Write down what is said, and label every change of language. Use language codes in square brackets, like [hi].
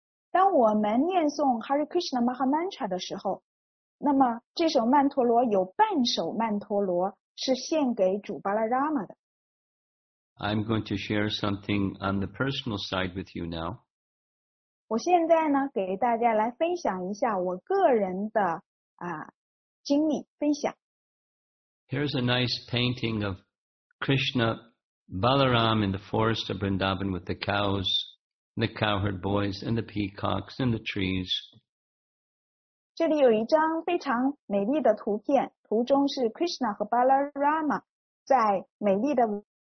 [zh] 当我们念诵 Hare Krishna Maha Mantra 的时候，那么这首曼陀罗有半首曼陀罗是献给主 Balarama 的。 [en] I'm going to share something on the personal side with you now. [zh] 我现在呢，给大家来分享一下我个人的经历分享。 [en] Here's a nice painting of Krishna Balaram in the forest of Vrindavan with the cows. The cowherd boys and the peacocks and the trees. [zh] 这里有一张非常美丽的图片，图中是 Krishna 和 Balarama 在美丽的。